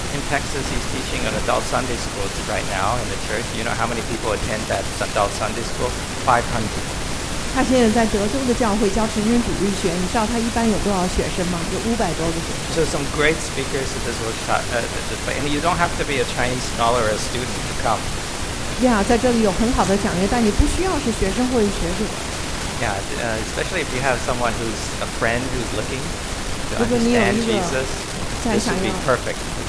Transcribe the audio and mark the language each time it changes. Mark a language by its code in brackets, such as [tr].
[en] In Texas, he's teaching an adult Sunday school right now in the church. You know how many people attend that adult Sunday school? 500. [zh] 他现在在德州的教会教成人主义学，你知道他一般有多少学生吗？有500多个学生。 [en] So some great speakers at this workshop, and you don't have to be a Chinese scholar or a student to come. [zh] Yeah, 在这里有很好的讲员，但你不需要是学生或者学者。 [en] Yeah, especially if you have someone who's a friend who's looking to understand Jesus, this would be perfect.